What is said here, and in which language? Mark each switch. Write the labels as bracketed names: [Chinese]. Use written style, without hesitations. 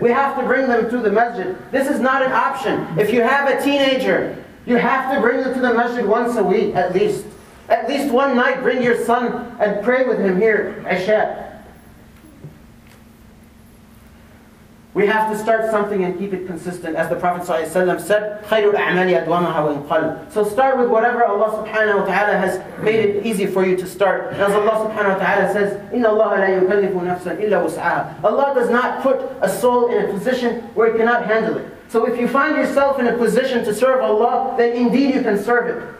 [English] We have to bring them to the masjid. This is not an option. If you have a teenager, you have to bring them to the masjid once a week, at least. At least one night, bring your son and pray with him here, Isha. We have to start something and keep it consistent. As the Prophet ﷺ said, [Arabic] خَيْرُ الْأَعْمَالِ أَدْوَمَهَا وَالْقَلْبِ. [English] So start with whatever Allah subhanahu wa ta'ala has made it easy for you to start. And as Allah subhanahu wa ta'ala says, [Arabic] إِنَّ اللَّهَ لَا يُكَلِّفُ نَفْسًا إِلَّا وُسْعَهَا. [English] Allah does not put a soul in a position where it cannot handle it. So if you find yourself in a position to serve Allah, then indeed you can serve it.